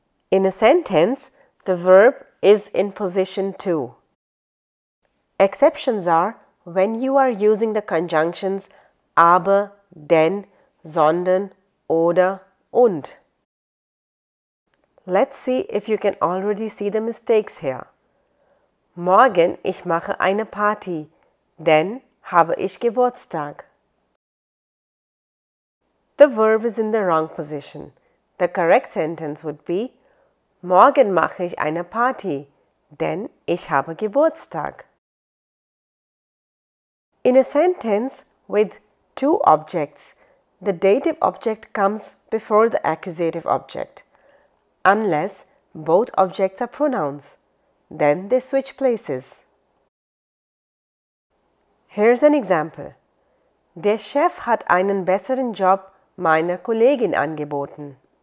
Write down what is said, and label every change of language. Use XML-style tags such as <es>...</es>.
<en>In a sentence, the verb is in position 2. Exceptions are when you are using the conjunctions aber, denn, sondern, oder, und. Let's see if you can already see the mistakes here.</en> <de>Morgen ich mache eine Party, denn habe ich Geburtstag.</de> <en>The verb is in the wrong position. The correct sentence would be,</en> <de>morgen mache ich eine Party, denn ich habe Geburtstag.</de> <en>In a sentence with two objects, the dative object comes before the accusative object. Unless both objects are pronouns, then they switch places. Here's an example.</en> <de>Der Chef hat einen besseren Job meiner Kollegin angeboten.</de>